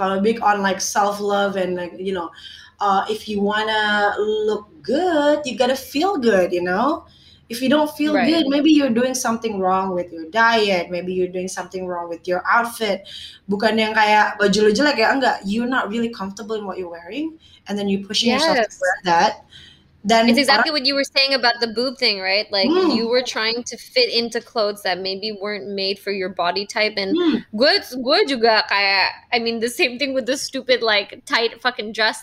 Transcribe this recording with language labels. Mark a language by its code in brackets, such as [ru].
[en] I'm a big on like self-love and like, you know, if you wanna look good, you gotta feel good, you know? If you don't feel good, maybe you're doing something wrong with your diet. Maybe you're doing something wrong with your outfit. [id] Bukan yang kayak baju lo jelek ya, enggak. [en] You're not really comfortable in what you're wearing. And then you're pushing yourself to wear that. Then it's exactly what you were saying about the boob thing, right? Like you were trying to fit into clothes that maybe weren't made for your body type. And [id] gue juga kayak, [en] I mean, the same thing with the stupid like tight fucking dress.